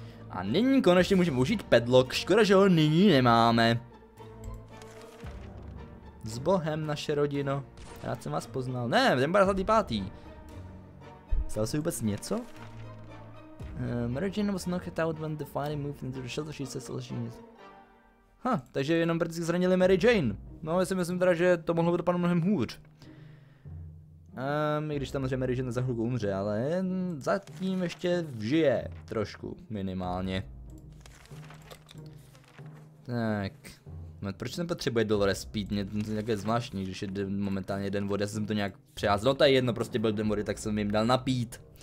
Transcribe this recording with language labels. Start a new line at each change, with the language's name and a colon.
Czech: A nyní konečně můžeme užít padlock, škoda, že ho nyní nemáme. Zbohem naše rodino, rád jsem vás poznal, ne, ten byl zlatý pátý. Stalo se vůbec něco?
English: Mary Jane was knocked out when the fire moved into the shelter, she says all she needs.
Czech: Ha, takže jenom prakticky zranili Mary Jane. No, já si myslím teda, že to mohlo být panu mnohem hůř. I když samozřejmě Mary Jane za chvilku umře, ale zatím ještě žije trošku, minimálně. Tak, proč jsem potřebuje Dolores pít? Mě to je nějaké zvláštní, když je momentálně den vody, já jsem to nějak přeházel. No to je jedno, prostě byl den vody, tak jsem jim dal napít.